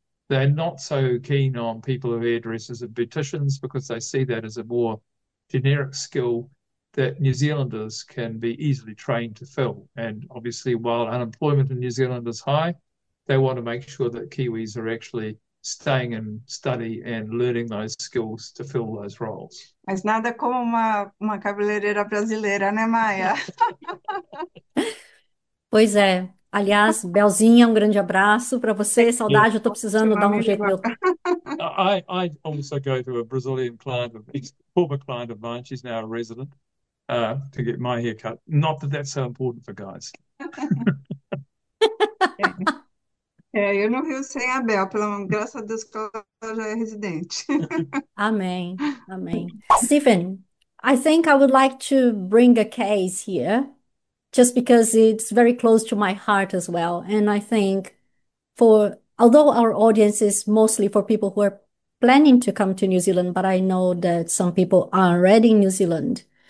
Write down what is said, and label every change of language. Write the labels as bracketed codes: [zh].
[en] They're not so keen on people who are hairdressers and beauticians because they see that as a more generic skill that New Zealanders can be easily trained to fill. And obviously, while unemployment in New Zealand is high, they want to make sure that Kiwis are actually staying in study and learning those skills to fill those roles. [pt] Mas nada como uma cabeleireira brasileira, né, Maia? Pois é. Aliás, Belzinha, um grande abraço para você. [en] Yes. [pt] Saudade, eu estou Seu precisando dar um amigo. jeito meu. [en] I also go to a Brazilian client, a former client of mine. She's now a resident, to get my hair cut. Not that that's so important for guys. [pt] Eu não vivo sem a Bel, pelo menos, graças a Deus que ela já é residente. Amém. Amém. [en] Stephen, I think I would like to bring a case here just because it's very close to my heart as well. And I think for, although our audience is mostly for people who are planning to come to New Zealand, but I know that some people are already in New Zealand.